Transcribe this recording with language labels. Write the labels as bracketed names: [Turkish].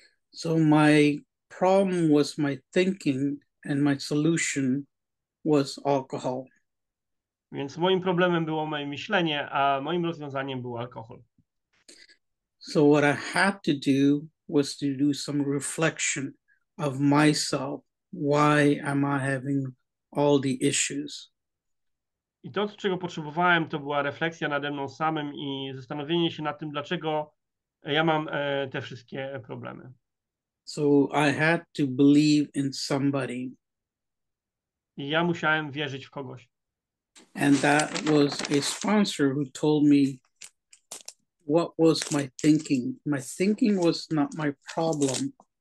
[English] So my problem was my thinking and my solution was alcohol. [Polish] Więc moim problemem było moje myślenie, a moim rozwiązaniem był alkohol. [English] So what I had to do was to do some reflection of myself. Why am I having all the issues? [Polish] I to, czego potrzebowałem, to była refleksja nade mną samym i zastanowienie się nad tym, dlaczego ja mam te wszystkie problemy. [English] So I had to believe in somebody. [Polish] I ja musiałem wierzyć w kogoś. [English] And that was a sponsor who told me what was my thinking. My thinking was not my problem.